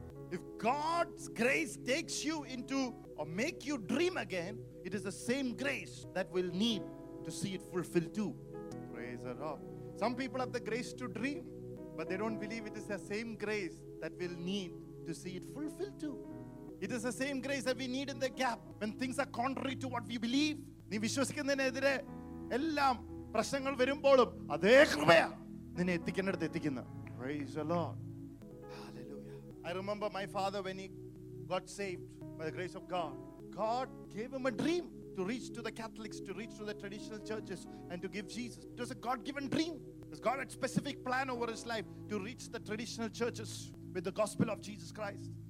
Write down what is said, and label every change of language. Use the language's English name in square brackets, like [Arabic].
[English] If God's grace takes you into or make you dream again, it is the same grace that we'll need to see it fulfilled too. Praise the Lord. Some people have the grace to dream, but they don't believe it is the same grace that we'll need to see it fulfilled too. It is the same grace that we need in the gap when things are contrary to what we believe. [Malayalam] നീ വിശ്വസിക്കുന്നതിനെതിരെ എല്ലാം പ്രശ്നങ്ങൾ വരുമ്പോഴും അതേ കൃപയാ നിന്നെ എത്തിക്കേണ്ടടുത്ത് എത്തിക്കുന്നു. [English] Praise the Lord. Hallelujah. I remember my father, when he got saved by the grace of God, God gave him a dream to reach to the Catholics, to reach to the traditional churches, and to give Jesus. It was a God-given dream. Because God had a specific plan over his life to reach the traditional churches with the gospel of Jesus Christ.